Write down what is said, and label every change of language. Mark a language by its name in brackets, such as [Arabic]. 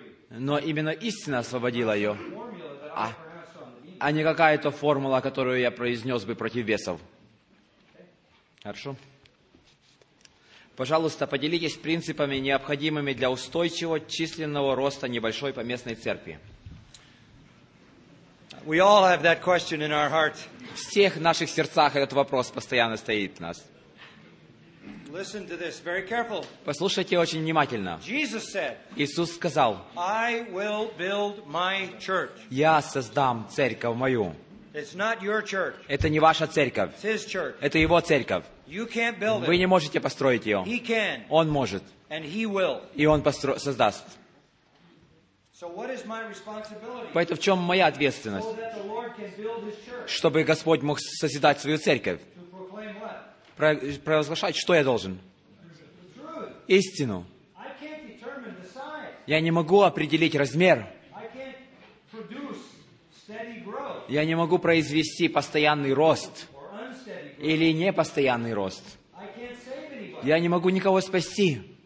[Russian] но именно истина освободила ее, а не какая-то формула, которую я произнес бы против весов. Хорошо. Пожалуйста, поделитесь принципами, необходимыми для устойчивого численного роста небольшой поместной церкви. [English] We all have that question in our heart. [Russian] В всех наших сердцах этот вопрос постоянно стоит у нас. [English] Listen to this. Very careful. [Russian] Послушайте очень внимательно. [English] Jesus said, [Russian] Иисус сказал, [English] I will build my church. [Russian] Я создам церковь мою. [English] It's not your church. [Russian] Это не ваша церковь. [English] It's his church. [Russian] Это его церковь. [English] You can't build it. [Russian] Вы не можете построить ее. [English] He can. [Russian] Он может. [English] And he will. [Russian] И он создаст. [English] So what is my responsibility? [Russian] Поэтому в чем моя ответственность? [English] So that the Lord can build his church. [Russian] Чтобы Господь мог созидать свою церковь. [English] To proclaim what? [Russian] Провозглашать, что я должен? Истину. [English] I can't determine the size. [Russian] Я не могу определить размер. [English] I can't produce steady growth. [Russian] Я не могу произвести постоянный рост. Или непостоянный рост. Я не могу никого спасти.